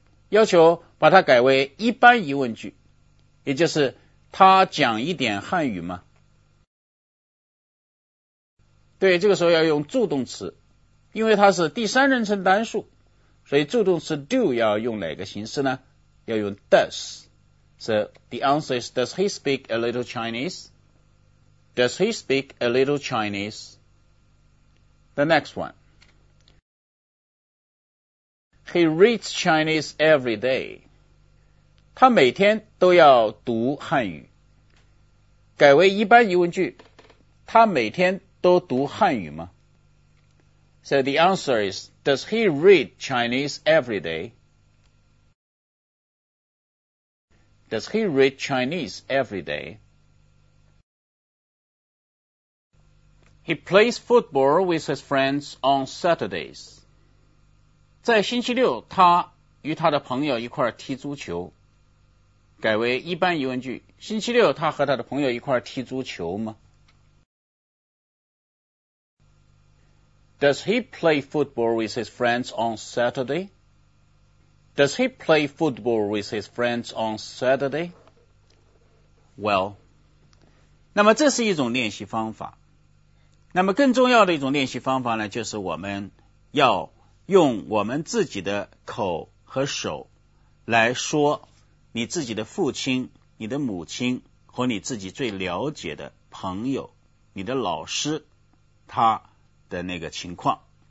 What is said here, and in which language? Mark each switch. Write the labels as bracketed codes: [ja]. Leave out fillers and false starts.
[zh] 要求把它改为一般疑问句，也就是他讲一点汉语吗？对，这个时候要用助动词，因为它是第三人称单数，所以助动词 do 要用哪个形式呢？要用 does。 [en] So the answer is does he speak a little Chinese? Does he speak a little Chinese? The next one He reads Chinese every day. [zh] 他每天都要读汉语。改为一般疑问句，他每天都读汉语吗? [en] So the answer is, does he read Chinese every day? Does he read Chinese every day? He plays football with his friends on Saturdays. [zh] 在星期六，他与他的朋友一块儿踢足球。改为一般疑问句，星期六他和他的朋友一块儿踢足球吗？ [en] Does he play football with his friends on Saturday? Does he play football with his friends on Saturday? [zh] Well, 那么这是一种练习方法。那么更重要的一种练习方法呢，就是我们要用我们自己的口和手来说你自己的父亲、你的母亲和你自己最了解的朋友、你的老师他的那个情况。